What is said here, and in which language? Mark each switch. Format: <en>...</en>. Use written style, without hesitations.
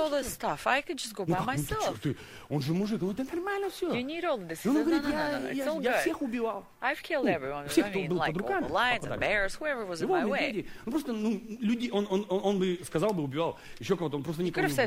<ru>Не надо, Сол. Он же мужик, ну это нормально все.</ru> <en>You need all this.</en> <ru>Он говорит, я всех убивал.</ru> <en>I've killed everyone.</en> <ru>Всех, кто был под руками.</ru> <en>All the lions, the bears, whoever was in my way.</en> <ru>Ну просто, ну, люди, он бы сказал бы, убивал еще кого-то, он просто никого не убивал.</ru>